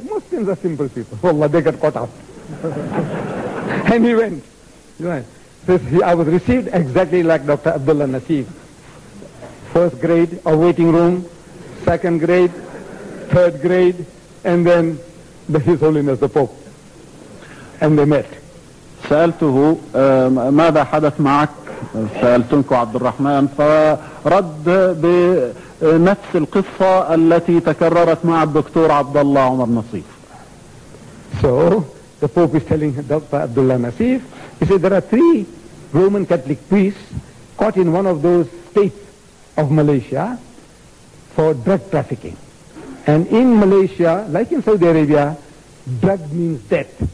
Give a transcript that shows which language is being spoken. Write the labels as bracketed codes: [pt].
[en] Muslims are simple people. Wallah, they got caught up. And he went. I was received exactly like Dr. Abdullah Nassif. First grade, a waiting room. Second grade, third grade. And then His Holiness the Pope. And they met. [ar] سألته ماذا حدث معك؟ سألتنكو عبد الرحمن فرد بنفس القصة التي تكررت مع الدكتور عبد الله عمر نصيف. [en] So the Pope is telling Dr. Abdullah Nassif, he said there are three Roman Catholic priests caught in one of those states of Malaysia for drug trafficking. And in Malaysia, like in Saudi Arabia, drug means death.